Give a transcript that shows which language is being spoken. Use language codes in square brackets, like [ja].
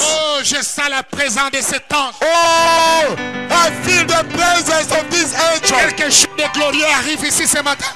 [fr] Oh, je sens la présence de cet ange. [en] Oh, I feel the presence of this angel. [fr] Quelque chose de glorieux arrive ici ce matin.